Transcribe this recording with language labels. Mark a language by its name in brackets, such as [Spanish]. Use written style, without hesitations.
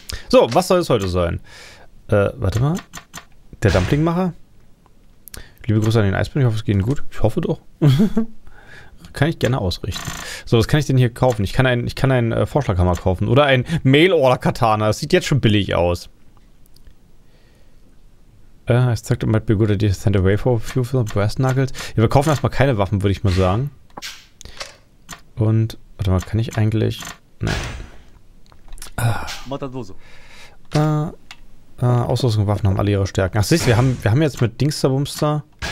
[German] So, was soll es heute sein? Warte mal. Der Dumpling-Macher? Liebe Grüße an den Eisbären, ich hoffe, es geht Ihnen gut. Ich hoffe doch. Kann ich gerne ausrichten. So, was kann ich denn hier kaufen? Ich kann einen Vorschlaghammer kaufen. Oder ein Mail-Order-Katana. Das sieht jetzt schon billig aus. Es zeigt, [English] it might be a good idea to send away for a few of the brass knuckles. [German] Ja, wir kaufen erstmal keine Waffen, würde ich mal sagen. Und, warte mal, kann ich eigentlich... Nein. Ausrüstung und Waffen haben alle ihre Stärken. Ach, siehst du, wir haben jetzt mit Dingsterbumster...